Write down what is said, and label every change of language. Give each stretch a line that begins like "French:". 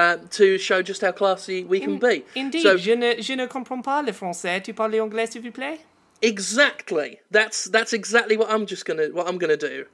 English: To show just how classy we can be. Indeed, so,
French: je ne comprends pas le français. Tu parles anglais, s'il vous plaît?
English: Exactly. That's exactly what I'm gonna do.